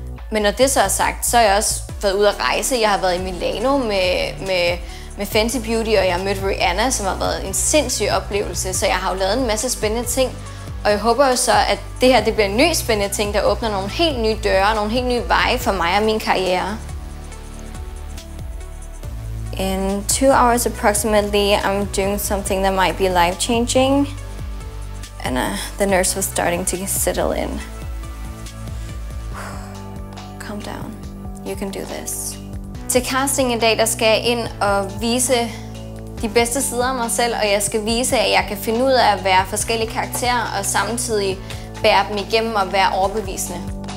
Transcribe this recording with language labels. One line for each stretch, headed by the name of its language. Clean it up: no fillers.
Danish: Men når det så er sagt, så har jeg også været ude at rejse. Jeg har været i Milano med Fenty Beauty, og jeg har mødt Rihanna, som har været en sindssyg oplevelse. Så jeg har jo lavet en masse spændende ting. Og jeg håber jo så, at det her det bliver en ny spændende ting, der åbner nogle helt nye døre, nogle helt nye veje for mig og min karriere.
English: In 2 hours approximately, I'm doing something that might be life-changing. And the nurse was starting to settle in. Calm down. You can do this.
Danish: Til casting i dag, der skal jeg ind og vise de bedste sider af mig selv, og jeg skal vise, at jeg kan finde ud af at være forskellige karakterer og samtidig bære dem igennem og være overbevisende.